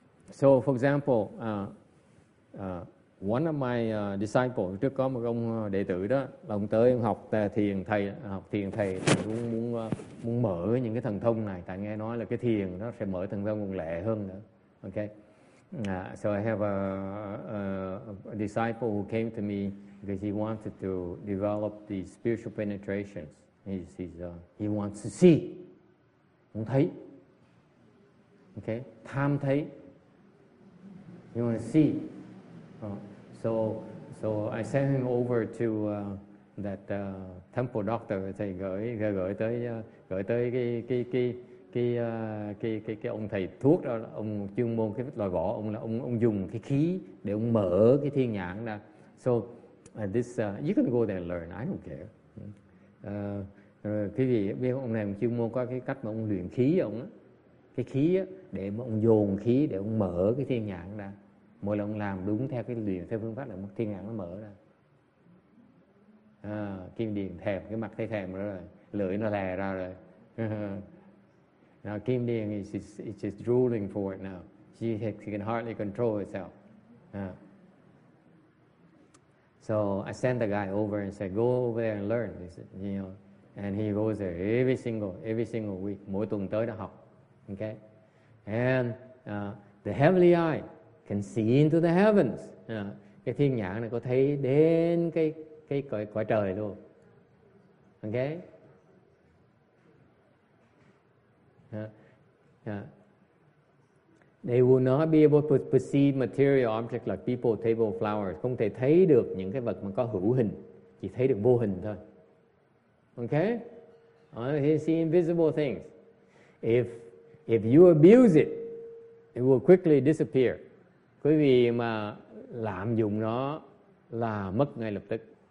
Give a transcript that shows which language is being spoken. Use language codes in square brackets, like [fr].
[en] So, for example, one of my disciples, [vi] trước có một ông đệ tử đó, là ông tới ông học thiền thầy, cũng muốn mở những cái thần thông này, tại nghe nói là cái thiền nó sẽ mở thần thông còn lẹ hơn nữa. Okay. [en] So I have a disciple who came to me because he wanted to develop the spiritual penetrations. He wants to see. [vi] Muốn thấy. [en] Okay. [vi] Tham thấy. [en] You want to see. So I sent him over to that temple doctor. [vi] Thầy gửi tới cái ông thầy thuốc đó, là ông chuyên môn cái loại vỏ, ông dùng cái khí để ông mở cái thiên nhãn ra. [en] So you can go there and learn. I don't care. [vi] Quý vị biết ông này chuyên môn có cái cách mà ông luyện khí ông á, cái khí á, để mà ông dồn khí để ông mở cái thiên nhãn ra. Mỗi lần ông làm đúng theo cái luyện theo phương pháp là thiên nhãn nó mở ra. Kim Điền thèm, cái mặt thấy thèm rồi, lưỡi nó lè ra rồi. [en] Now Kim Dieng is just drooling for it now. She can hardly control herself. So I sent the guy over and said, "Go over there and learn." He said, you know, and he goes there every single week. [vi] Mỗi tuần tới đó học, [en] okay? And the heavenly eye can see into the heavens. [vi] Cái thiên nhãn này có thấy đến cái cõi trời luôn, okay? [en] They will not be able to perceive material objects like people, table, flowers. [vi] Không thể thấy được những cái vật mà có hữu hình, chỉ thấy được vô hình thôi. [en] Okay? They see invisible things. If you abuse it, it will quickly disappear. [vi] Quý vị mà lạm dụng nó là mất ngay lập tức.